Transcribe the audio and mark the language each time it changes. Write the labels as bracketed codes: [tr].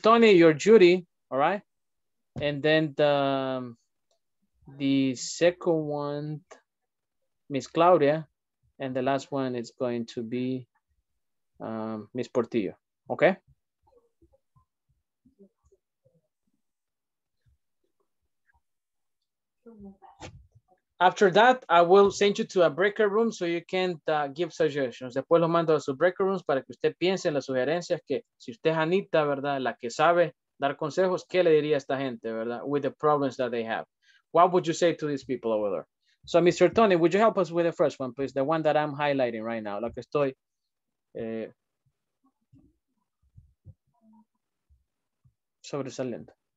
[en] Tony, you're Judy, all right? And then the second one, Miss Claudia, and the last one is going to be Miss Portillo, okay? After that, I will send you to a breaker room so you can give suggestions. [es] Después lo mando a su breaker rooms para que usted piense en las sugerencias que si usted es Anita, ¿verdad? La que sabe dar consejos, ¿qué le diría a esta gente, ¿verdad? [en] With the problems that they have. What would you say to these people over there? So, Mr. Tony, would you help us with the first one, please? The one that I'm highlighting right now. [es] La que estoy... sobresaliendo.